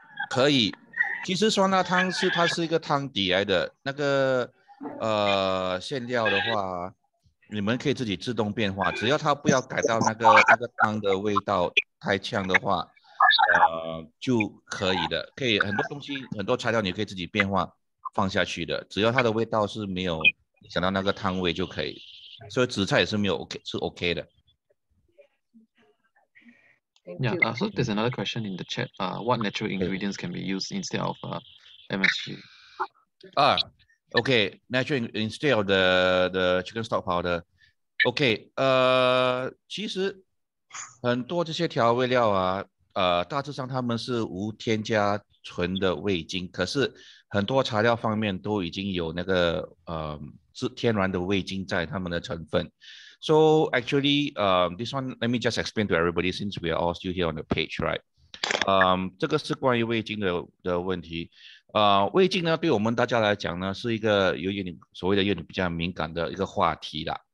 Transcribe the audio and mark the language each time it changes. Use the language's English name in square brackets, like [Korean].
[Chinese] 可以，其实酸辣汤它是一个汤底来的，那个馅料的话，你们可以自己自动变化，只要它不要改到那个汤的味道太呛的话，就可以的，可以很多东西很多材料你可以自己变化放下去的，只要它的味道是没有想到那个汤味就可以，所以紫菜也是没有 OK 是 OK 的。 [English] Yeah, so there's another question in the chat. What natural ingredients can be used instead of MSG? Okay, natural instead of the chicken stock powder. [Chinese] Okay, 其实很多这些调味料啊，大致上他们是无添加纯的味精，可是很多材料方面都已经有那个是天然的味精在他们的成分。 [English] So actually, this one, let me just explain to everybody since we are all still here on the page, right? [Chinese] 这个是关于味精 的问题。味精呢，对我们大家来讲呢，是一个有点所谓的有点比较敏感的一个话题啦。